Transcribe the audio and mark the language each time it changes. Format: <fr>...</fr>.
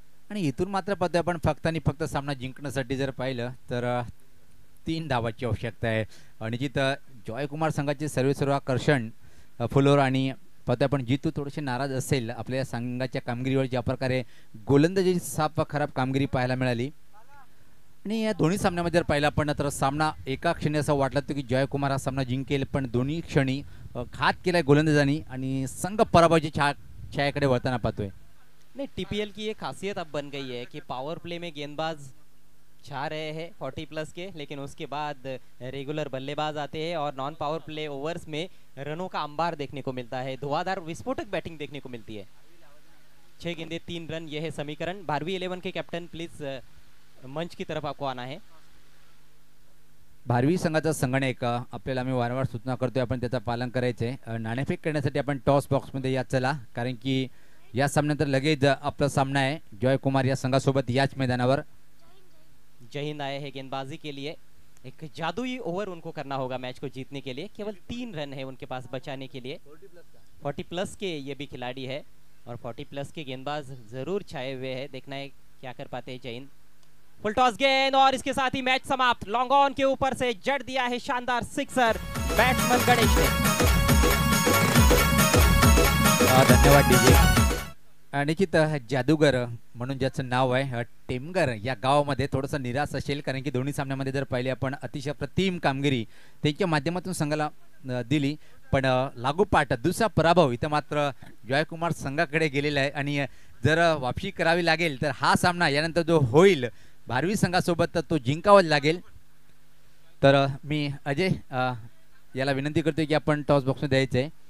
<mr>आणि इथून मात्र पद्धत आपण फक्त आणि फक्त सामना जिंकण्यासाठी जर पाहिलं तर 3 धावांची आवश्यकता आहे आणि जिथं जॉयकुमार संघाचे सर्वेसर्व आकर्षण फुलोर आणि पद्धत आपण जितू थोडेसे नाराज असेल आपल्या संघाच्या कामगिरीवर ज्या प्रकारे गोलंदाजी साफ खराब कामगिरी पाहायला मिळाली आणि या दोन्ही सामन्यामध्ये जर पाहिलं आपण तर सामना एका क्षणी असं वाटलं होतं की जॉयकुमार हा सामना जिंकेल पण दोन्ही क्षणी घात केलाय गोलंदाजांनी आणि संघ पराभवाची छायाकडे वळताना पाहतोय</mr> <hi>नहीं टीपीएल की ये खासियत अब बन गई है कि पावर प्ले में गेंदबाज छा रहे हैं 40 प्लस के लेकिन उसके बाद रेगुलर बल्लेबाज आते हैं और नॉन पावर प्ले ओवर्स में रनों का अंबार देखने को मिलता है धुआंधार विस्फोटक बैटिंग देखने को मिलती है 6 गेंदे 3 रन ये है समीकरण 12वीं 11 के कैप्टन प्लीज मंच की तरफ आपको आना है</hi> <mr>12वीं संघाचा संगणक आपल्याला मी वारंवार सूचना करतो आपण त्याचा पालन करायचे नाणेफेक करण्यासाठी आपण टॉस बॉक्स मध्ये या चला कारण की या सामन्यानंतर लगेच आपला सामना आहे जॉयकुमार या संघासोबत याच मैदानावर</mr> <hi>जहीन आए है गेंदबाजी के लिए एक जादुई ओवर उनको करना होगा मैच को जीतने के लिए केवल 3 रन है उनके पास बचाने के लिए 40 प्लस के ये भी खिलाड़ी है और 40 प्लस के गेंदबाज जरूर छाए हुए है देखना है क्या कर पाते हैं जहीन फुल टॉस गेंद और इसके साथ ही मैच समाप्त लॉन्ग ऑन के ऊपर से जड़ दिया है शानदार सिक्सर बैट्समैन गणेश ने</hi> <mr>धन्यवाद डीजे निश्चित जादूगर म्हणून ज्याचं नाव आहे टेमगर या गावामध्ये थोडंसं निराश असेल कारण की दोन्ही सामन्यामध्ये जर पहिले आपण अतिशय प्रतिम कामगिरी त्यांच्या माध्यमातून संघाला दिली पण लागोपाठ दुसरा पराभव इथं मात्र जॉयकुमार संघाकडे गेलेला आहे आणि जर वापशी करावी लागेल तर हा सामना यानंतर जो होईल 12वीं संघासोबत तो जिंकावा लागेल तर मी अजय याला विनंती करतोय की आपण टॉस बॉक्स द्यायचं आहे</mr>